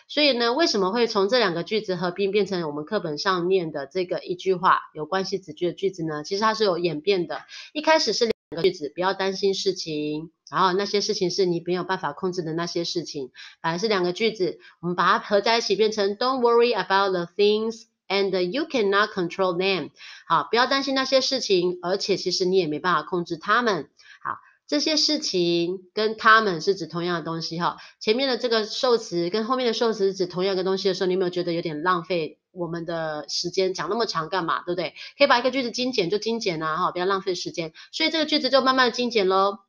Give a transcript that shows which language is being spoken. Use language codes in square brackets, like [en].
[zh] 所以呢，为什么会从这两个句子合并变成我们课本上念的这个一句话有关系子句的句子呢？其实它是有演变的。一开始是两个句子，不要担心事情，然后那些事情是你没有办法控制的那些事情，本来是两个句子，我们把它合在一起变成 [en] Don't worry about the things。 And you cannot control them. [zh] 好，不要担心那些事情，而且其实你也没办法控制他们。好，这些事情跟他们是指同样的东西哈。前面的这个受词跟后面的受词是指同样的东西的时候，你有没有觉得有点浪费我们的时间？讲那么长干嘛？对不对？可以把一个句子精简就精简啊，哈，不要浪费时间。所以这个句子就慢慢的精简咯。